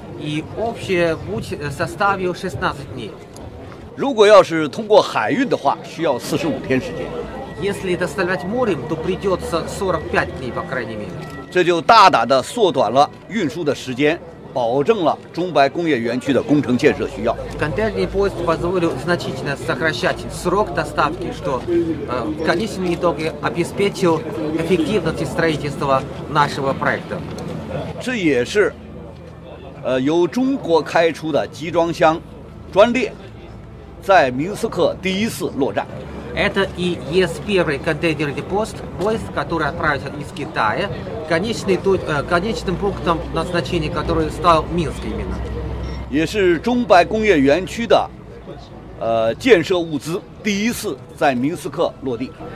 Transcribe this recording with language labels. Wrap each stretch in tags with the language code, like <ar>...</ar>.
<ru>И общий путь составил 16 дней.</ru> <zh>如果要是通过海运的话，需要45天时间。</zh> <ru>Если доставлять морем, то придется 45 дней, по крайней мере.</ru> <zh>这就大大的缩短了运输的时间。保证了中白工业园区的工程建设需要。</zh> <ru>Контейнерный поезд позволил значительно сокращать срок доставки, что в конечном итоге обеспечил эффективность строительства нашего проекта.</ru> <zh>这也是由中国开出的集装箱专列在明斯克第一次落站。</zh> <ru>Это и есть первый контейнерный поезд, который отправился из Китая, конечным пунктом назначения, который стал Минск именно.</ru> <zh>也是中白工业园区的建设物资第一次在明斯克落地。</zh>